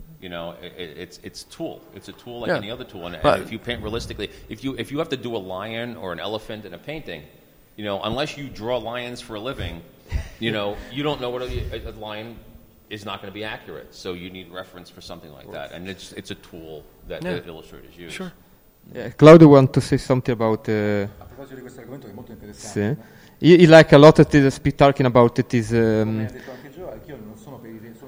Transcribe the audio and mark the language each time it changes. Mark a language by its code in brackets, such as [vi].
[en] You know, it's tool. It's a tool like any other tool. And if you paint realistically, if you have to do a lion or an elephant in a painting, you know, unless you draw lions for a living, you know, you don't know what a lion is not going to be accurate. So you need reference for something like that. And it's a tool that the illustrators use. Sure. Claudio wants to say something about... [it] A proposito di questo argomento, è molto interessante. Sì. [en] He like a lot of this, talking about it is. [it] Come ha detto anche Joe, anch'io non sono per i